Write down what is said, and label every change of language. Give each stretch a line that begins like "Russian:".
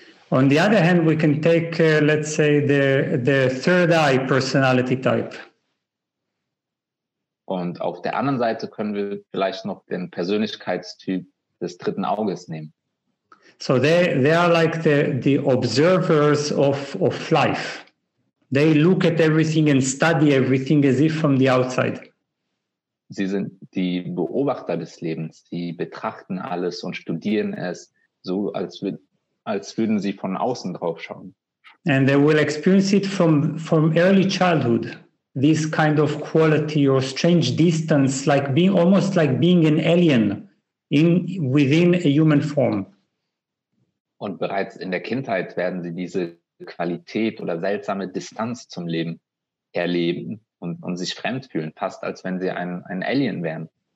English: On the other hand, we can take, let's say, the third eye personality type.
German: Und auf der anderen Seite können wir vielleicht noch den Persönlichkeitstyp des dritten Auges nehmen.
English: So they are like the observers of life. They look at everything and study everything as if from the outside.
German: Sie sind die Beobachter des Lebens. Sie betrachten alles und studieren es so, als würden sie von außen drauf schauen.
English: And they will experience it from early childhood, this kind of quality or strange distance, like being almost like being an alien within a human form.
German: Und bereits in der Kindheit werden sie diese Qualität oder seltsame Distanz zum Leben erleben und sich fremd fühlen, fast als wenn sie ein Alien wären.